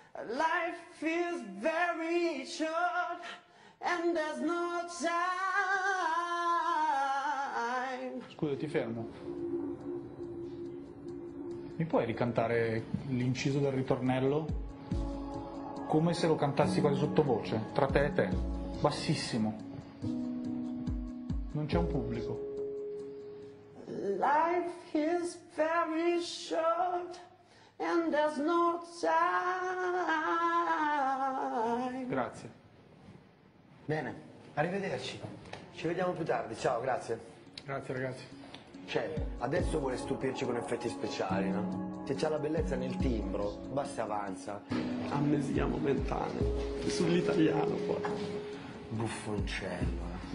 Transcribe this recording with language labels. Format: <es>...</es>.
<en>Life feels very short. And there's no time.</en> <it>Scusa, ti fermo. Mi puoi ricantare l'inciso del ritornello? Come se lo cantassi quasi sottovoce, tra te e te, bassissimo. Non c'è un pubblico.</it> <en>Life is very short and there's no time.</en> <it>Grazie. Bene, arrivederci. Ci vediamo più tardi, ciao, grazie. Grazie ragazzi. Cioè, adesso vuole stupirci con effetti speciali, no? Se c'ha la bellezza nel timbro, basta e avanza. Ammesiamo mentale, sull'italiano qua. Buffoncello.</it>